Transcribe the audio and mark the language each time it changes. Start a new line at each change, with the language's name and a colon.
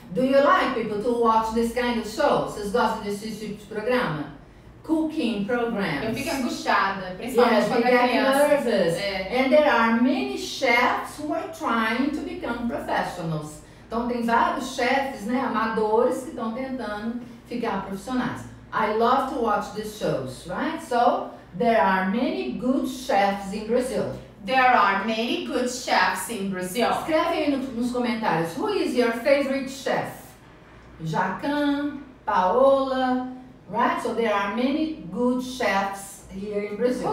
English: Do you like people to watch this kind of show?
Portuguese: Vocês gostam desse tipo de programa?
English: Cooking programs.
Portuguese: Eu fico angustiada, principalmente
English: yes,
Portuguese: quando eu fico nervous. É.
English: And there are many chefs who are trying to become professionals.
Portuguese: Então tem vários chefs, né, amadores que estão tentando ficar profissionais.
English: I love to watch these shows, right? So, there are many good chefs in Brazil. There are many good chefs in Brazil.
Portuguese: Escreve aí nos comentários.
English: Who is your favorite chef? Jacan, Paola, right? So there are many good chefs here in Brazil.